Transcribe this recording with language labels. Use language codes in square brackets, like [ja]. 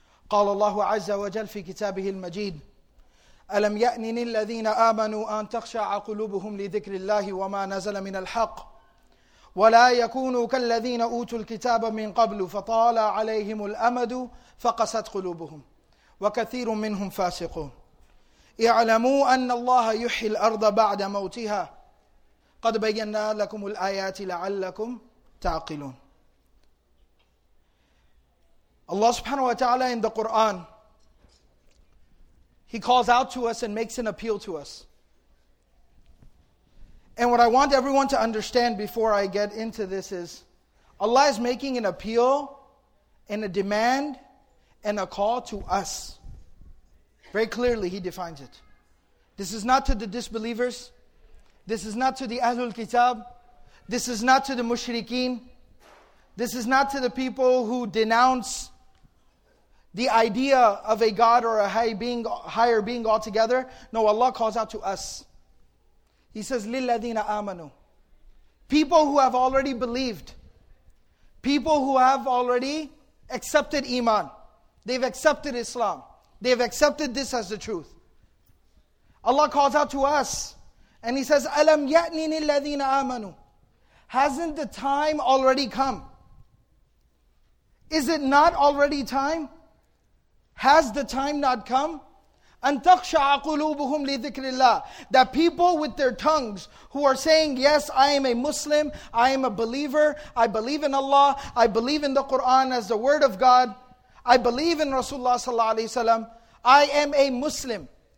[ar] قال الله عز وجل في كتابه المجيد ألم يأنن الذين آمنوا أن تخشع قلوبهم لذكر الله وما نزل من الحق ولا يكونوا كالذين أوتوا الكتاب من قبل فطال عليهم الأمد فقست قلوبهم وكثير منهم فاسقون اعلموا أن الله يحيي الأرض بعد موتها قد بينا لكم الآيات لعلكم تعقلون. [en] Allah subhanahu wa ta'ala in the Qur'an, He calls out to us and makes an appeal to us. And what I want everyone to understand before I get into this is, Allah is making an appeal and a demand and a call to us. Very clearly He defines it. This is not to the disbelievers. This is not to the Ahlul Kitab. This is not to the Mushrikeen. This is not to the people who denounce the idea of a God or a higher being altogether. No, Allah calls out to us. He says, [ar] لِلَّذِينَ آمَنُوا. [en] People who have already believed. People who have already accepted Iman. They've accepted Islam. They've accepted this as the truth. Allah calls out to us. And He says, [ar] أَلَمْ يَأْنِنِ الَّذِينَ آمَنُوا. [en] Hasn't the time already come? Is it not already time? Has the time not come? [ar] أَن تَخْشَعَ قُلُوبُهُمْ لِذِكْرِ اللَّهِ. [en] That people with their tongues who are saying, yes, I am a Muslim, I am a believer, I believe in Allah, I believe in the Qur'an as the Word of God, I believe in Rasulullah sallallahu alaihi wasallam, I am a Muslim.